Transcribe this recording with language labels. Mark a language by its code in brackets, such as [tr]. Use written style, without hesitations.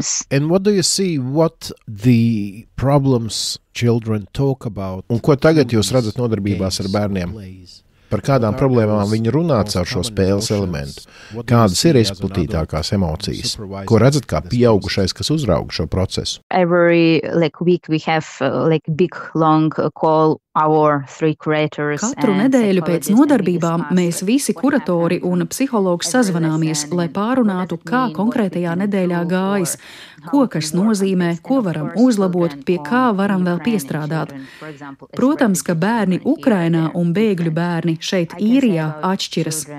[en] And what do you see what the problems children talk about? [lv] Un ko tagad jūs redzat nodarbībās ar bērniem? Par kādām problēmām viņi runā caur šo spēles elementu? Kādas ir izplatītākās emocijas? Ko redzat kā pieaugušais, kas uzrauga šo procesu? [en] Every week we have big long call [lv] Katru nedēļu pēc nodarbībām mēs visi kuratori un psihologi sazvanāmies, lai pārunātu, kā konkrētajā nedēļā gājis, ko kas nozīmē, ko varam uzlabot, pie kā varam vēl piestrādāt. Protams, ka bērni Ukrainā un bēgļu bērni šeit Īrijā atšķiras.